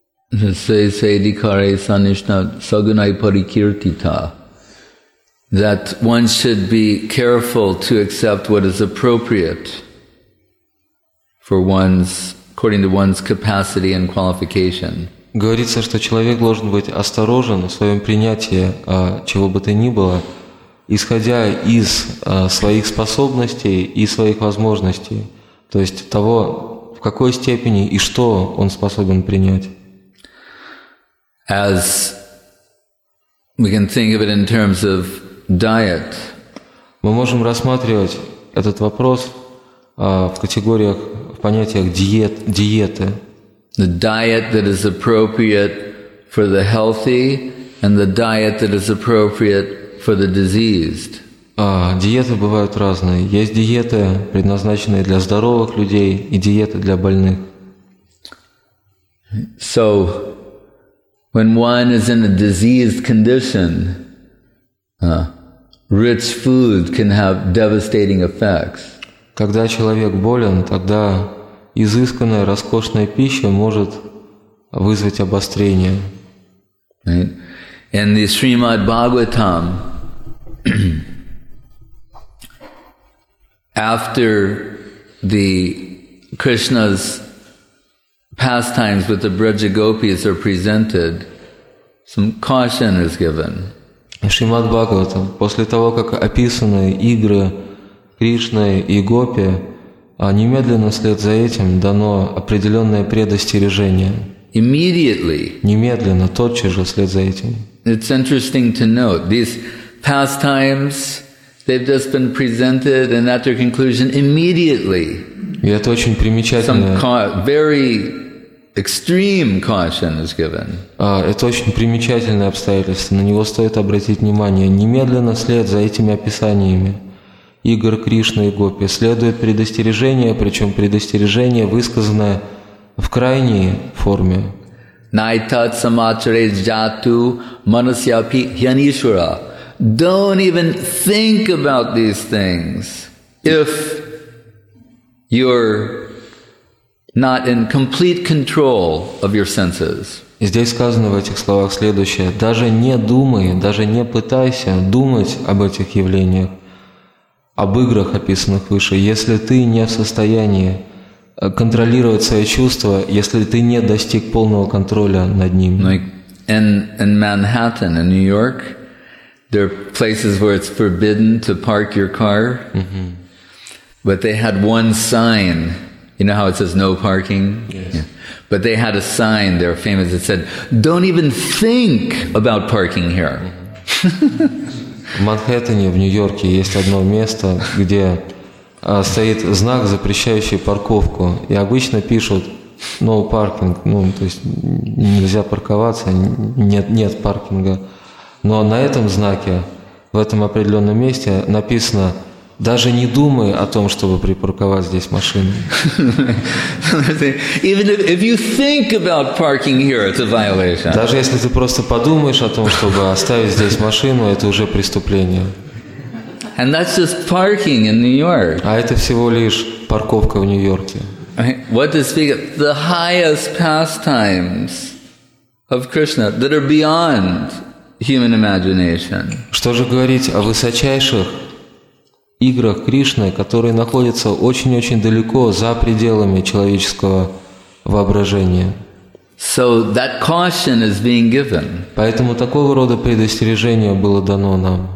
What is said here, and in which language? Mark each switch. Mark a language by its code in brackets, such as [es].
[en] That one should be careful to accept what is appropriate for one's according to one's capacity and qualification. [ru] Говорится, что человек должен быть осторожен в своем принятии чего бы то ни было, исходя из своих способностей и своих возможностей, то есть того, в какой степени и что он способен принять. [en] As we can think of it in terms of diet. [ru] Мы можем рассматривать этот вопрос в категориях, в понятиях диеты. [en] The diet that is appropriate for the healthy and the diet that is appropriate for the diseased. [ru] Диеты бывают разные. Есть диеты, предназначенные для здоровых людей, и диеты для больных. [en] So, when one is in a diseased condition, rich food can have devastating effects. [ru] Когда человек болен, тогда изысканная, роскошная пища может вызвать обострение. [en] In the Srimad Bhagavatam, after the Krishna's pastimes with the Braja Gopis are presented, some caution is given. [ru] Шримад Бхагаватам, после того, как описаны игры Кришны и Гопи, а немедленно вслед за этим дано определенное предостережение. [en] Immediately. [ru] Немедленно, тотчас же вслед за этим. [en] It's interesting to note these pastimes, they've just been presented and at their conclusion immediately. [ru] И это очень примечательно. [en] Very extreme caution is given. [ru] Это очень примечательное обстоятельство. На него стоит обратить внимание. Немедленно вслед за этими описаниями игр Кришны и Гопи следует предостережение, причем предостережение, высказанное в крайней форме. [sa] Найтат самачарет жату манасьяпи хьянишвара. [en] Don't even think about these things if you're not in complete control of your senses. [ru] Здесь сказано в этих словах следующее. Даже не думай, даже не пытайся думать об этих явлениях, об играх, описанных выше, если ты не в состоянии контролировать свои чувства, если ты не достиг полного контроля над ним. [en] In Manhattan, in New York, there are places where it's forbidden to park your car, but they had one sign. You know how it says no parking? Yes. Yeah. But they had a sign there, famous, that said, don't even think about parking here. [ru] В Манхэттене, в Нью-Йорке, есть одно место, где стоит знак, запрещающий парковку. И обычно пишут [en] «no parking», [ru] ну, то есть нельзя парковаться, нет паркинга. Но на этом знаке, в этом определенном месте, написано «даже не думай о том, чтобы припарковать здесь машину». [en] Even if you think about parking here, it's a violation. [ru] Даже если ты просто подумаешь о том, чтобы оставить здесь машину, это уже преступление. [en] And that's just parking in New York. [ru] А это всего лишь парковка в Нью-Йорке. [en] What to speak of the highest pastimes of Krishna that are beyond human imagination. [ru] Что же говорить о высочайших играх Кришны, которые находятся очень-очень далеко за пределами человеческого воображения. [en] So that caution is being given. [ru] Поэтому такого рода предостережение было дано нам.